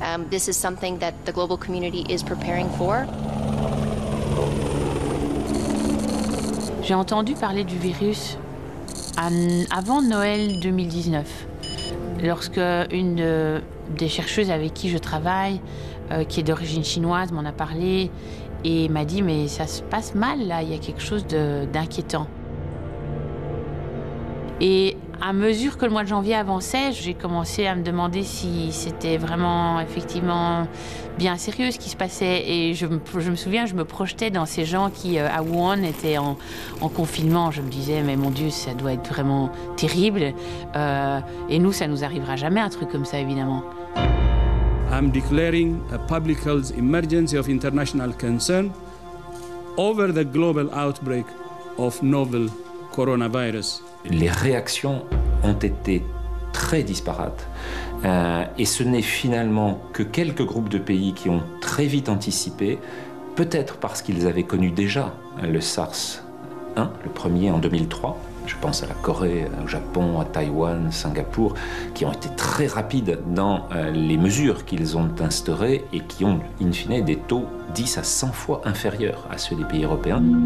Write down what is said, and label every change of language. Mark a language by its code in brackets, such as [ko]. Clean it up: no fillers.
[en] This is something that the global community is preparing for. [fr] J'ai entendu parler du virus avant Noël 2019, lorsque une des chercheuses avec qui je travaille, qui est d'origine chinoise, m'en a parlé et m'a dit « mais ça se passe mal là, il y a quelque chose d'inquiétant ». Et à mesure que le mois de janvier avançait, j'ai commencé à me demander si c'était vraiment effectivement bien sérieux ce qui se passait. Et je me souviens, je me projetais dans ces gens qui, à Wuhan, étaient en confinement. Je me disais « mais mon Dieu, ça doit être vraiment terrible. Et nous, ça nous arrivera jamais un truc comme ça, évidemment ». [en] I'm declaring a public health emergency of international concern over the global outbreak of novel coronavirus. [fr] Les réactions ont été très disparates. Et ce n'est finalement que quelques groupes de pays qui ont très vite anticipé, peut-être parce qu'ils avaient connu déjà le SARS-1, le premier en 2003. Je pense à la Corée, au Japon, à Taïwan, Singapour, qui ont été très rapides dans les mesures qu'ils ont instaurées et qui ont, in fine, des taux 10 à 100 fois inférieurs à ceux des pays européens.